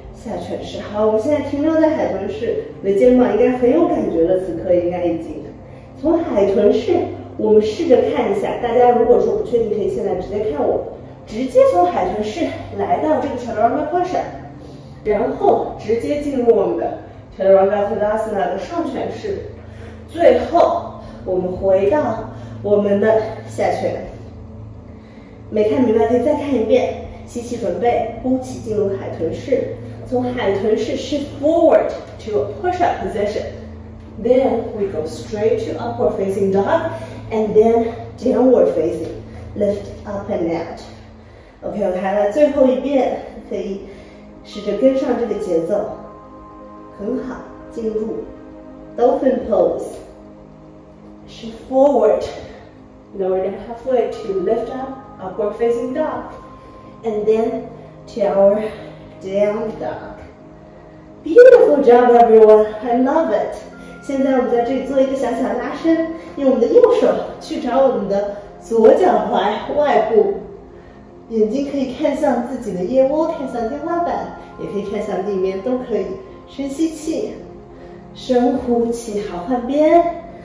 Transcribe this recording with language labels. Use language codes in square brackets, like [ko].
[zh] 下犬式，好，我们现在停留在海豚式，你的肩膀应该很有感觉了，此刻应该已经从海豚式，我们试着看一下，大家如果说不确定，可以现在直接看我，直接从海豚式来到这个 chaturanga push-up， 然后直接进入我们的 chaturanga tadasana 的上犬式，最后我们回到我们的下犬，没看明白可以再看一遍。吸气准备，呼气进入海豚式，从海豚式 [en] shift forward to a push-up position. Then we go straight to upward facing dog, and then downward facing, lift up and out. [zh] OK, 我看了最后一遍，可以试着跟上这个节奏，很好，进入 dolphin pose. [en] Shift forward, lower down halfway to lift up, upward facing dog, and then to our down dog. Beautiful job, everyone. I love it. [zh] 现在我们在这里做一个小小拉伸，用我们的右手去找我们的左脚踝外部，眼睛可以看向自己的腋窝，看向天花板，也可以看向地面，都可以。深吸气，深呼气，好，换边。